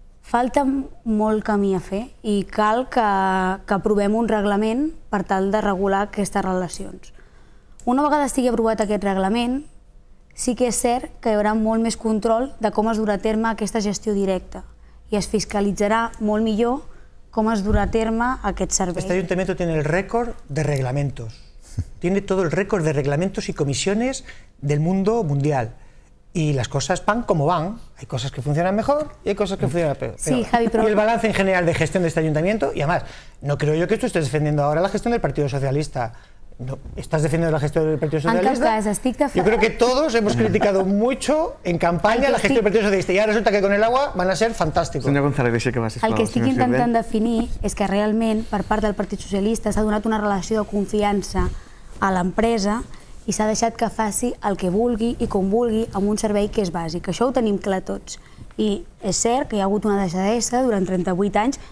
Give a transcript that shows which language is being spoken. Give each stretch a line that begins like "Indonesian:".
Catalan: Falta molt camí a fer i cal que aprovem un reglament per tal de regular aquestes relacions. Una vegada estigui aprovat aquest reglament, sí que és cert que hi haurà molt més control de com es durà a terme aquesta gestió directa i es fiscalitzarà molt millor com es durà a terme aquest servei.
Spanish: Este ayuntamiento tiene el récord de reglamentos. Tiene todo el récord de reglamentos y comisiones del mundo mundial. Y las cosas van como van. Hay cosas que funcionan mejor y hay cosas que funcionan peor. Sí, Javi, pero... Y el balance en general de gestión de este ayuntamiento, y además, no creo yo que tú estés defendiendo ahora la gestión del Partido Socialista. No, ¿estás defendiendo la gestión del Partido Socialista?
Catalan: En cas, estic de...
Spanish: Yo creo que todos hemos criticado mucho en campaña la gestión del Partido Socialista y ahora resulta que con el agua van a ser fantásticos.
Catalan: Senyor González, deixa que vas, sisplau. El que estic intentant definir és que realment per part del Partit Socialista s'ha donat una relació de confiança a l'empresa i s'ha deixat que faci el que vulgui i com vulgui amb un servei que és bàsic. Això ho tenim clar tots. I és cert que hi ha hagut una deixadesa durant 38 anys.